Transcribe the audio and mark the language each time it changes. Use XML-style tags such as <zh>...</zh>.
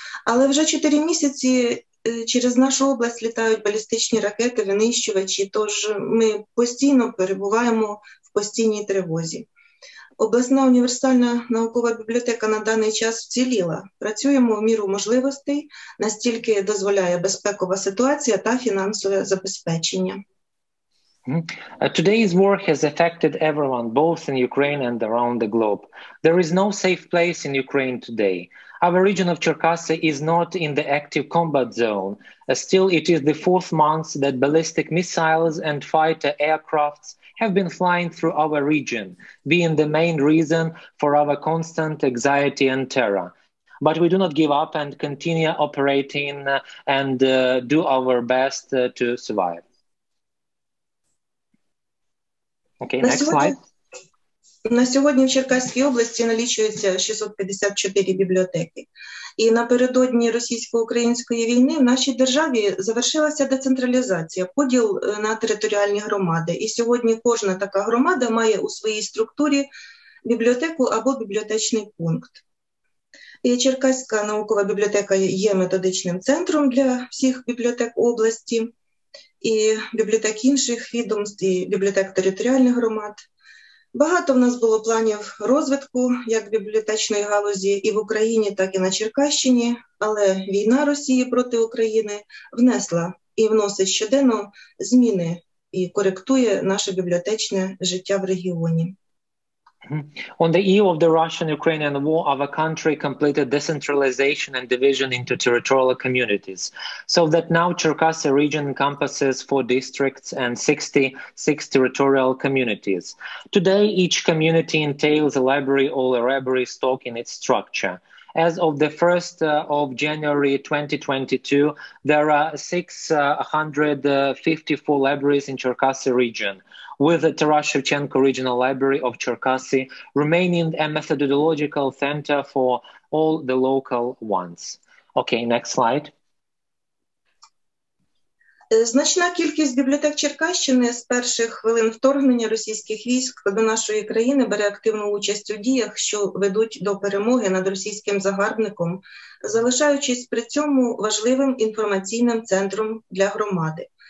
<uk>Але вже 4 місяці через нашу область літають балістичні ракети, винищувачі, тож ми постійно перебуваємо в постійній тривозі. Обласна універсальна наукова бібліотека на даний час вціліла. Працюємо в міру можливостей, настільки дозволяє безпекова ситуація та фінансове забезпечення.</uk> <en>Today's war has affected everyone, both in Ukraine and around the globe. There is no safe place in Ukraine today. Our region of Cherkasy is not in the active combat zone. Still, it is the fourth month that ballistic missiles and fighter aircrafts have been flying through our region, being the main reason for our constant anxiety and terror. But we do not give up and continue operating and do our best to survive. Okay, next slide.</en> <uk>На сьогодні в Черкаській області налічується 654 бібліотеки. І напередодні російсько-української війни в нашій державі завершилася децентралізація, поділ на територіальні громади. І сьогодні кожна така громада має у своїй структурі бібліотеку або бібліотечний пункт. І Черкаська наукова бібліотека є методичним центром для всіх бібліотек області і бібліотек інших відомств, і бібліотек територіальних громад. Багато в нас було планів розвитку як бібліотечної галузі і в Україні, так і на Черкащині, але війна Росії проти України внесла і вносить щоденно зміни і коректує наше бібліотечне життя в регіоні.</uk> <en>On the eve of the Russian-Ukrainian war, our country completed decentralization and division into territorial communities, so that now Cherkasy region encompasses 4 districts and 66 territorial communities. Today, each community entails a library or a library stock in its structure. As of the 1st of January 2022, there are 654 libraries in Cherkasy region, with the Taras-Shevchenko Regional Library of Cherkasy remaining a methodological center for all the local ones. Okay, next slide.</en> <uk>Значна кількість бібліотек Черкащини з перших хвилин вторгнення російських військ до нашої країни бере активну участь у діях, що ведуть до перемоги над російським загарбником, залишаючись при цьому важливим інформаційним центром для громади.</uk>